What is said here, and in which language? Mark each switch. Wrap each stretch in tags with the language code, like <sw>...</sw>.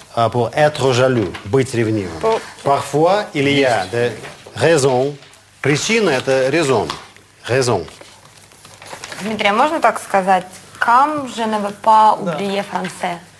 <fr>Pour être jaloux,</fr> <ru>быть ревнивым.</ru> <fr>Parfois, il y a des raisons.</fr> <ru>Причина – это raison.</ru> <fr>Raison.</fr> <ru>Дмитрий, а можно так сказать?</ru> <fr>Quand je ne veux pas oublier français?</fr>